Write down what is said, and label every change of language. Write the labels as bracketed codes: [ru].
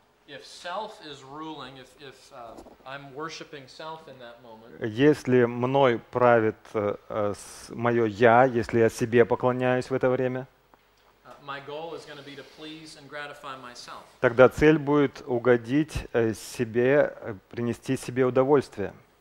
[en] If self is ruling, if I'm worshiping self in that moment, [ru] если мной правит мое «я», если я себе поклоняюсь в это время, [en] my goal is going to be to please and gratify myself. [ru] Тогда цель будет угодить себе, принести себе удовольствие.